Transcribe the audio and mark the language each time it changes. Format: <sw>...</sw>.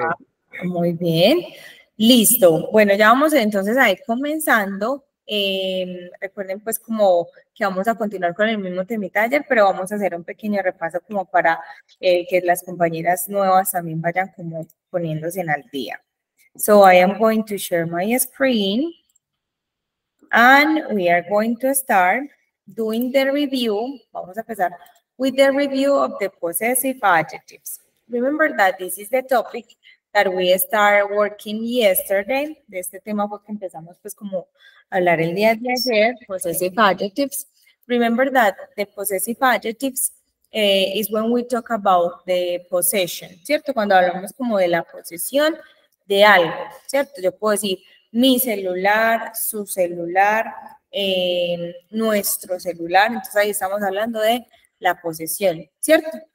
<es>va? Muy bien. Listo. Bueno, ya vamos entonces a ir comenzando. Recuerden pues como que vamos a continuar con el mismo temita de ayer, pero vamos a hacer un pequeño repaso como para que las compañeras nuevas también vayan como poniéndose en al día.</es> <en>So I am going to share my screen and we are going to start doing the review.</en> <es>Vamos a empezar</es> <en>with the review of the possessive adjectives. Remember that this is the topic that we started working yesterday.</en> <es>De este tema fue que empezamos pues como a hablar el día de ayer, possessive adjectives.</es> <en>Remember that the possessive adjectives is when we talk about the possession, ¿cierto?</en> <es>Cuando hablamos como de la posesión de algo, ¿cierto? Yo puedo decir mi celular, su celular, nuestro celular. Entonces ahí estamos hablando de la posesión, ¿cierto?</es>